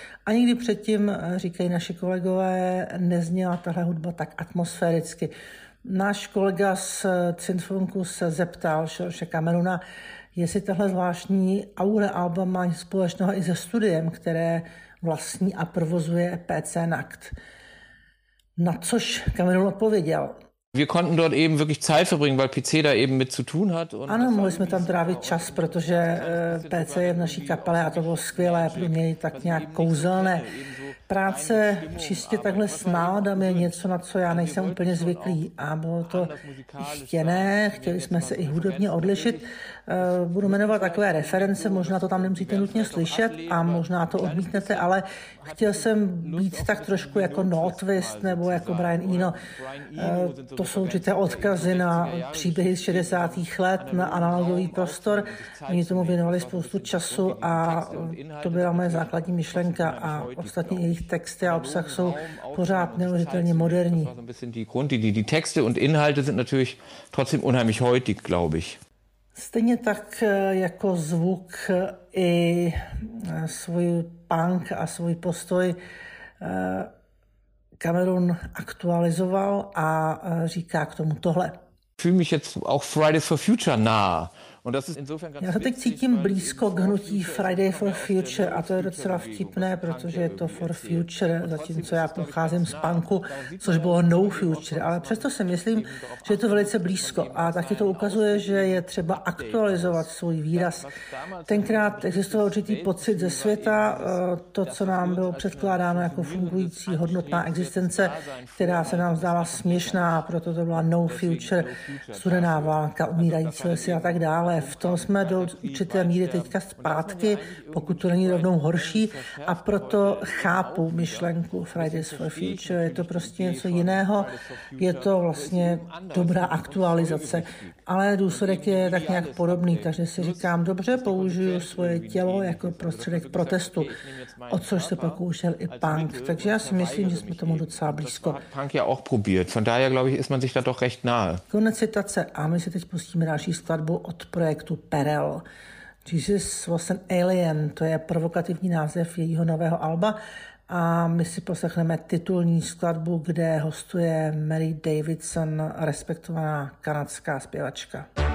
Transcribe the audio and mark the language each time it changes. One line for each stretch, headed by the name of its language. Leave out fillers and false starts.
Czech: A nikdy předtím, říkají naši kolegové, nezněla tahle hudba tak atmosféricky. Náš kolega z Cinfunku se zeptal Šerše Kameruna, jestli tahle zvláštní aura alba má společného i se studiem, které vlastní a provozuje PC Nackt. Na což Cameron odpověděl.
German: Wir konnten dort eben wirklich Zeit verbringen, weil PC da eben mit zu tun hat.
Czech: Und ano, mohli jsme tam trávit čas, protože PC je v naší kapele a to bylo skvělé, pro mě tak nějak kouzelné. Práce čistě takhle s náladami je něco, na co já nejsem úplně zvyklý. A bylo to chtěné, chtěli jsme se i hudebně odlišit. Budu jmenovat takové reference, možná to tam nemusíte nutně slyšet a možná to odmítnete, ale chtěl jsem být tak trošku jako Nordwist nebo jako Brian Eno. To jsou určité odkazy na příběhy z 60. let, na analogový prostor. Oni tomu věnovali spoustu času a to byla moje základní myšlenka a ostatní jejich texty a obsah jsou pořád neuvěřitelně moderní.
German: Die Texte und Inhalte sind natürlich trotzdem unheimlich heutig, glaube ich.
Czech: Stejně tak jako zvuk i svůj punk a svůj postoj Cameron aktualizoval a říká k tomu tohle.
German: Fühle mich jetzt auch Fridays for Future nah.
Czech: Já se teď cítím blízko k hnutí Friday for Future a to je docela vtipné, protože je to for future, zatímco já pocházím z punku, což bylo no future, ale přesto si myslím, že je to velice blízko a taky to ukazuje, že je třeba aktualizovat svůj výraz. Tenkrát existoval určitý pocit ze světa, to, co nám bylo předkládáno jako fungující hodnotná existence, která se nám zdála směšná, proto to byla no future, studená válka, umírající lesy a tak dále. Ale v tom jsme do určité míry teďka zpátky, pokud to není rovnou horší, a proto chápu myšlenku Fridays for Future. Je to prostě něco jiného, je to vlastně dobrá aktualizace, ale důsledek je tak nějak podobný, takže si říkám, dobře, použiju svoje tělo jako prostředek protestu, o což se pokoušel i punk, takže já si myslím, že jsme tomu docela blízko.
German: Punk je auch probiert, von daher, glaube ich, ist man sich da doch recht nahe.
Czech: Konec citace a my si teď pustíme další skladbu od projektu Perel. Jesus was an alien, to je provokativní název jejího nového alba a my si poslechneme titulní skladbu, kde hostuje Mary Davidson, respektovaná kanadská zpěvačka.